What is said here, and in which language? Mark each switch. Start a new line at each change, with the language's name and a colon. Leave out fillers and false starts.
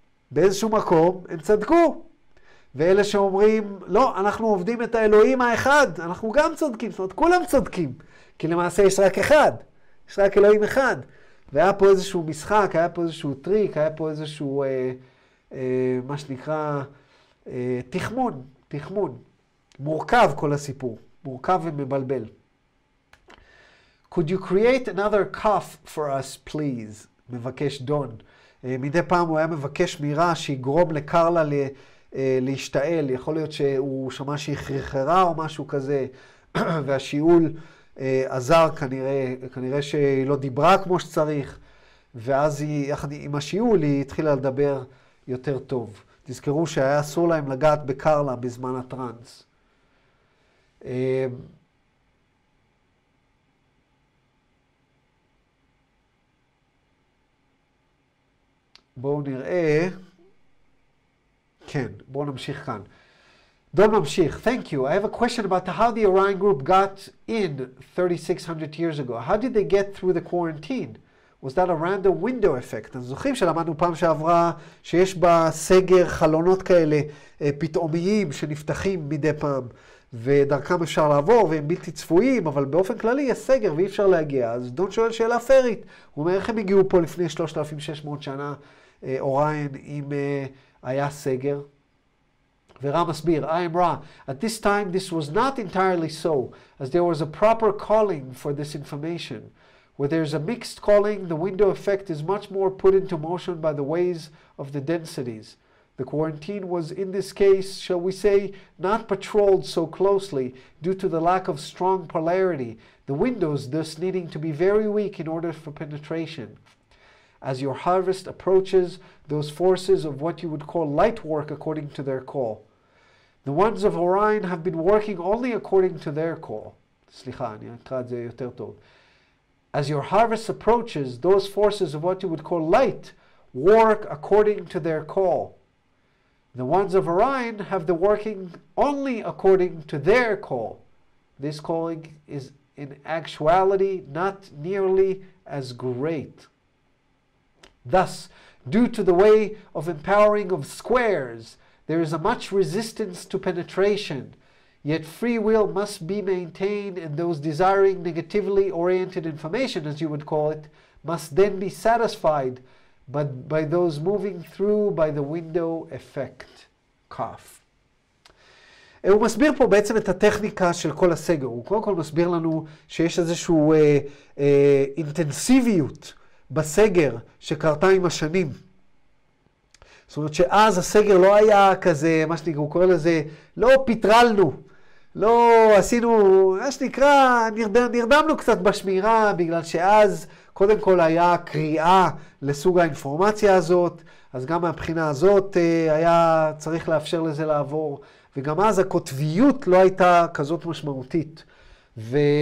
Hebrew: באיזשהו מקום, הם צדקו. ואלה שאומרים, לא, אנחנו עובדים את האלוהים האחד, אנחנו גם צודקים, זאת אומרת, כולם צודקים. כי למעשה יש רק אחד. יש רק אלוהים אחד. והיה פה איזשהו משחק, היה פה איזשהו טריק, היה פה איזשהו, מה שנקרא, תחמון, תחמון. מורכב כל הסיפור. מורכב ומבלבל.
English: Could you create another cuff for us, please?
Hebrew: מבקש דון. מדי פעם הוא היה מבקש מירה שיגרום לקרלה להשתעל. יכול להיות שהוא שמע שהיא חרחרה או משהו כזה, והשיעול עזר כנראה שהיא לא דיברה כמו שצריך, ואז היא, עם השיעול היא התחילה לדבר יותר טוב. תזכרו שהיה אסור להם לגעת בקרלה בזמן הטרנס. בואו נראה. כן, בואו נמשיך כאן. דון ממשיך.
English: Thank you. I have a question about how the Orion group got in 3,600 years ago. How did they get through the quarantine? Was that a random window effect?
Hebrew: אז זוכרים שלמדנו פעם שעברה שיש בסגר חלונות כאלה פתאומיים שנפתחים מדי פעם, ודרכם אפשר לעבור והם בלתי צפויים, אבל באופן כללי יש סגר ואי אפשר להגיע. אז דון שואל שאלה פרית. הוא אומר, איך הם הגיעו פה לפני 3,600 שנה? Orion עם היה סגר. ורא מסביר,
English: I am Ra. At this time this was not entirely so, as there was a proper calling for this information. Where there is a mixed calling, the window effect is much more put into motion by the ways of the densities. The quarantine was in this case, shall we say, not patrolled so closely due to the lack of strong polarity, the windows thus needing to be very weak in order for penetration. As your harvest approaches, those forces of what you would call light work according to their call. The ones of Orion have been working only according to their call.
Hebrew: סליחה, אני אקרא את זה יותר טוב.
English: As your harvest approaches, those forces of what you would call light work according to their call. The ones of Orion have the working only according to their call. This calling is in actuality not nearly as great. Thus, due to the way of empowering of squares, there is a much resistance to penetration. Yet free will must be maintained, and those desiring negatively oriented information, as you would call it, must then be satisfied by those moving through by the window effect. Cough.
Hebrew: הוא מסביר פה בעצם את הטכניקה של כל הסגר. הוא קודם כל מסביר לנו שיש איזשהו אינטנסיביות בסגר שקרתה עם השנים. זאת אומרת שאז הסגר לא היה כזה, מה שנקרא, הוא קורא לזה, לא פיטרלנו, לא עשינו, מה שנקרא, נרדמנו קצת בשמירה, בגלל שאז קודם כל היה קריאה לסוג האינפורמציה הזאת, אז גם מהבחינה הזאת היה צריך לאפשר לזה לעבור, וגם אז הכותביות לא הייתה כזאת משמעותית. ו...